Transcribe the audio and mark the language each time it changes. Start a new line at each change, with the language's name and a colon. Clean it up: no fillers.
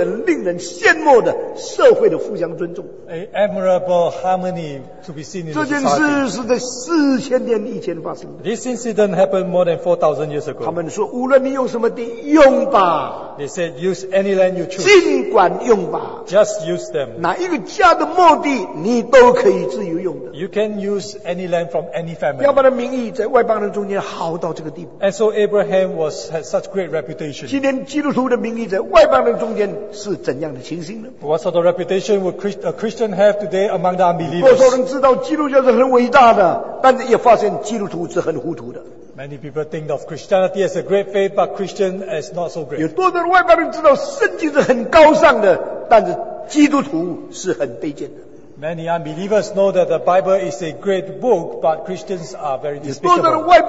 Chinese: 这是何等伟大、何等令人羡慕的社会的互相尊重。
English: A admirable harmony to be seen in society.
Chinese: 这件事是在4000年以前发生的。
English: This incident happened more than 4000 years ago.
Chinese: 他们说，无论你用什么地，用吧。
English: They said, use any land you choose.
Chinese: 尽管用吧。
English: Just use them.
Chinese: 哪一个家的墓地，你都可以自由用的。
English: You can use any land from any family.
Chinese: 要不然名义在外邦人中间好到这个地步。
English: And so Abraham was had such great reputation.
Chinese: 今天基督徒的名义在外邦人中间是怎样的情形呢？
English: What sort of reputation would a Christian have today among the unbelievers?
Chinese: 多少人知道基督教是很伟大的，但是也发现基督徒是很糊涂的。
English: Many people think of Christianity as a great faith, but Christian is not so great.
Chinese: 有多少外邦人知道圣经是很高尚的，但是基督徒是很卑贱的。
English: Many unbelievers know that the Bible is a great book, but Christians are very despicable.